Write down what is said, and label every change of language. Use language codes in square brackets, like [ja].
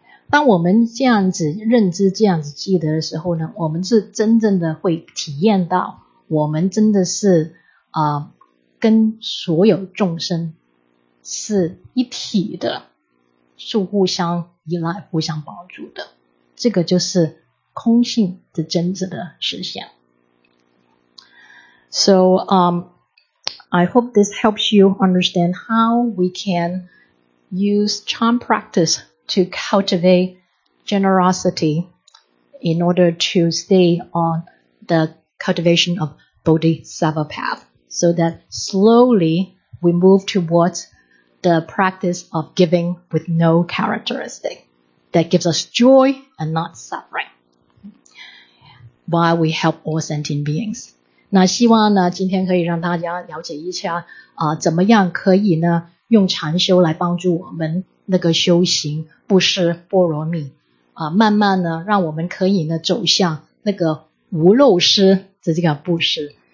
[zh] 当我们这样子认知，这样子记得的时候呢，我们是真正的会体验到，我们真的是跟所有众生是一体的，是互相依赖、互相帮助的，这个就是空性的真正的实现。 [en] So, I hope this helps you understand how we can use charm practice to cultivate generosity in order to stay on the cultivation of bodhisattva path. So that slowly we move towards the practice of giving with no characteristic that gives us joy and not suffering while we help all sentient beings. [zh] 那希望呢今天可以让大家了解一下怎么样可以呢用禅修来帮助我们那个修行布施波罗蜜慢慢呢让我们可以呢走向那个无漏施的这个布施。